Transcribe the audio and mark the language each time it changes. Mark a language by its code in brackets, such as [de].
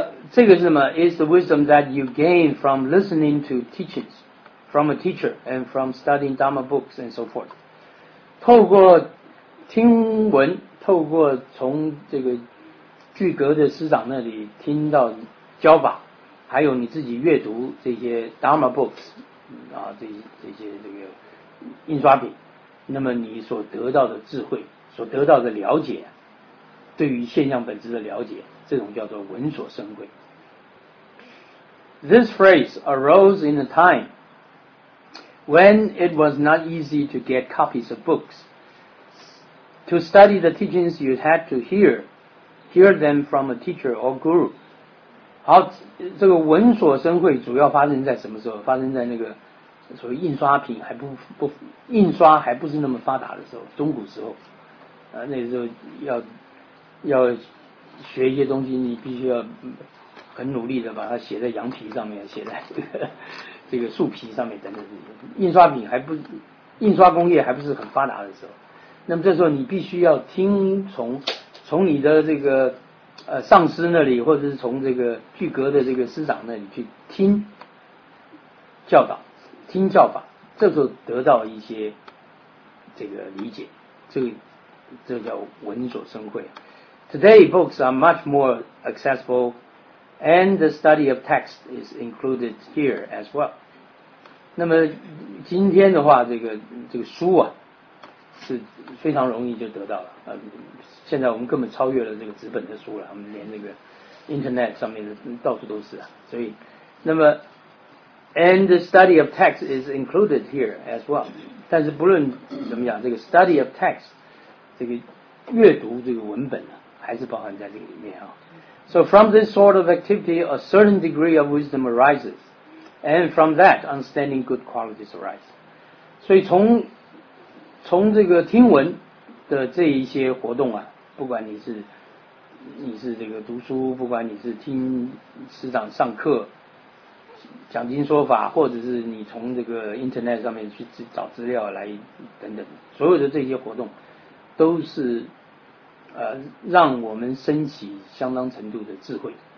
[zh] 这个是什么 [en] ？Is the wisdom that you gain from listening to teachings from a teacher and from studying Dharma books and so forth。 [zh] 透过听闻，透过从这个具格的师长那里听到教法，还有你自己阅读这些 [en] Dharma books [zh] 啊，这些这个印刷品，那么你所得到的智慧，所得到的了解，对于现象本质的了解，这种叫做闻所生慧。 [en] This phrase arose in a time. When it was not easy to get copies of books. To study the teachings, you had to hear them from a teacher or guru. [zh] 好，这个文所生会主要发生在什么时候？发生在那个所谓印刷品还不印刷还不是那么发达的时候，中古时候。那时候要学一些东西，你必须要很努力的把它写在羊皮上面，写在这个树皮上面等等这些。印刷工业还不是很发达的时候，那么这时候你必须要听从你的这个上司那里，或者是从这个巨阁的这个师长那里去听教导、听教法，这时候得到一些这个理解，这叫文所生会。 [en] Today books are much more accessible, and the study of text is included here as well. [zh] 那么今天的话，这个书啊，是非常容易就得到了。现在我们根本超越了这个纸本的书了，我们连那个 internet 上面的到处都是啊。所以，那么 [en] and the study of text is included here as well. [zh] 但是不论怎么讲，这个 [en] study of text [zh] 这个阅读这个文本呢、啊，还是包含在这个里面啊。 [en] So from this sort of activity, a certain degree of wisdom arises, and from that, understanding good qualities arises. [zh] 所以从这个听闻的这一些活动啊，不管你是这个读书，不管你是听师长上课讲经说法，或者是你从这个 internet 上面去找资料来等等，所有的这些活动都是让我们升起相当程度的智慧。